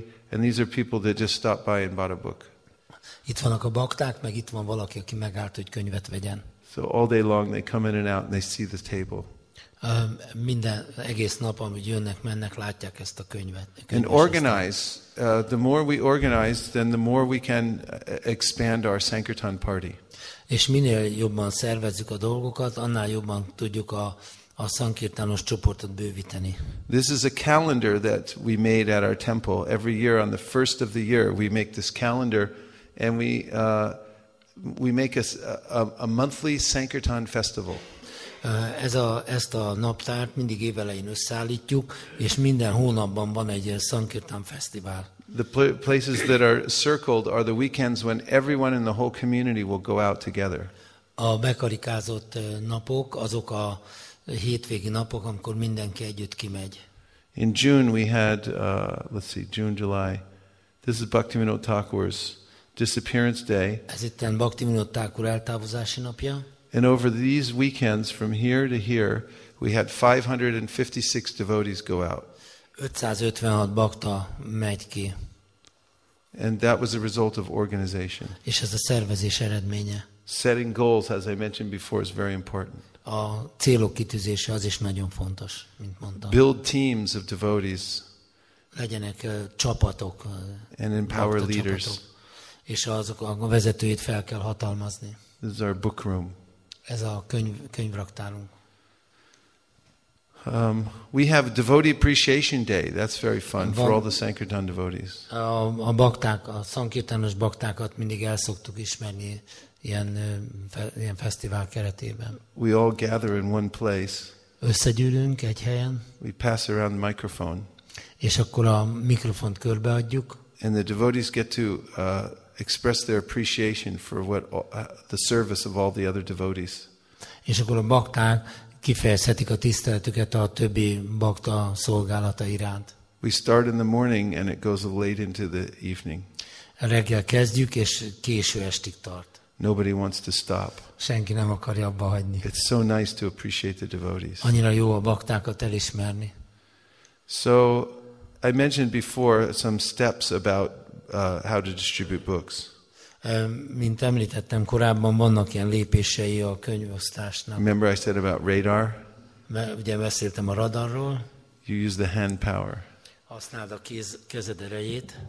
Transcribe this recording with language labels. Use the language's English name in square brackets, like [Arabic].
[English] And these are people that just stopped by and bought a book. [Hungarian] Itt vannak a bakták, meg itt van valaki, aki megállt, hogy könyvet vegyen. [English] So all day long they come in and out and they see the table. [Hungarian] Minden egész nap, amíg jönnek, mennek, látják ezt a könyvet. [English] And organize. The more we organize, then the more we can expand our Sankirtan party. [Hungarian] És minél jobban szervezzük a dolgokat, annál jobban tudjuk a szankirtános csoportot bővíteni. [English] This is a calendar that we made at our temple. Every year on the first of the year we make this calendar and we make a monthly Sankirtan festival. [Hungarian] Ezt a naptárt mindig évelején összeállítjuk, és minden hónapban van egy Sankirtan fesztivál. [English] The places that are circled are the weekends when everyone in the whole community will go out together. [Hungarian] A bekarikázott napok azok a hétvégi napok, amikor mindenki együtt kimegy. [English] In June we had, June, July. This is Bhaktivinoda Thakur's disappearance day. [Hungarian] Ez itt a Bhaktivinoda Thakur eltávozási napja. [English] And over these weekends, from here to here, we had 556 devotees go out. [Hungarian] 556 bakta megy ki. [English] And that was a result of organization. [Hungarian] És ez a szervezés eredménye. [English] Setting goals, as I mentioned before, is very important. [Hungarian] A célok kitűzése az is nagyon fontos, mint mondtam. [English] Build teams of devotees. [Hungarian] Legyenek csapatok. [English] And empower leaders. [Hungarian] És azok a vezetőit fel kell hatalmazni. [English] This is our book room. [Hungarian] Ez a könyvraktárunk. [English] We have Devotee Appreciation Day. That's very fun for all the Sankirtan devotees. [Hungarian] A szankirtános baktákat mindig el szoktuk ismerni. Ilyen fesztivál keretében. [English] We all gather in one place. [Hungarian] Összegyűlünk egy helyen. [English] We pass around the microphone. [Hungarian] És akkor a mikrofont körbeadjuk. [English] And the devotees get to express their appreciation for what the service of all the other devotees. [Hungarian] És akkor a bakták kifejezhetik a tiszteletüket a többi bakta szolgálata iránt. [English] We start in the morning and it goes late into the evening. [Hungarian] Reggel kezdjük és késő estig tart. [English] Nobody wants to stop. [Hungarian] Senki nem akarja abba hagyni. [English] It's so nice to appreciate the devotees. [Hungarian] Annyira jó a baktákat elismerni. [English] So I mentioned before some steps about how to distribute books. [Hungarian] Mint említettem korábban, vannak ilyen lépései a könyvosztásnak. [English] Remember I said about radar? [Hungarian] Ugye beszéltem a radarról. [English] You use the hand power. [Hungarian] Használd a kezed erejét.